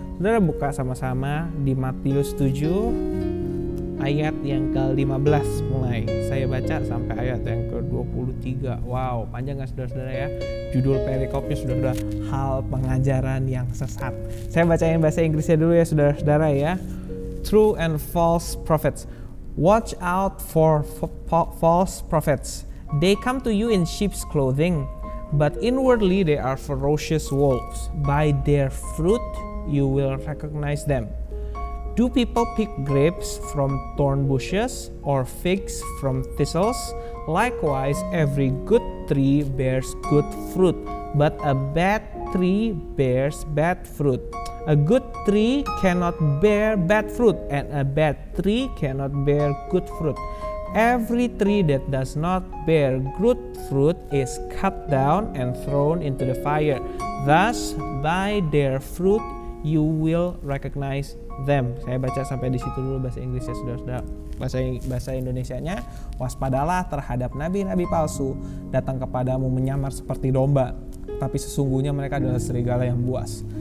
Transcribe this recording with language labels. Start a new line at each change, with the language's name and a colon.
Indonesian: Saudara buka sama-sama di Matius 7 ayat yang ke-15 mulai. Saya baca sampai ayat yang ke-23. Wow, panjang enggak saudara-saudara ya? Judul perikopnya sudah hal pengajaran yang sesat. Saya bacain bahasa Inggrisnya dulu ya saudara-saudara ya.
English: True and false prophets. Watch out for false prophets. They come to you in sheep's clothing, but inwardly they are ferocious wolves. By their fruit you will recognize them. Do people pick grapes from thorn bushes or figs from thistles? Likewise, every good tree bears good fruit, but a bad tree bears bad fruit. A good tree cannot bear bad fruit, and a bad tree cannot bear good fruit. Every tree that does not bear good fruit is cut down and thrown into the fire. Thus, by their fruit you will recognize them.
Indonesian: Saya baca sampai di situ dulu bahasa Inggrisnya saudara-saudara. Bahasa Indonesianya, waspadalah terhadap nabi-nabi palsu datang kepadamu menyamar seperti domba, tapi sesungguhnya mereka adalah serigala yang buas.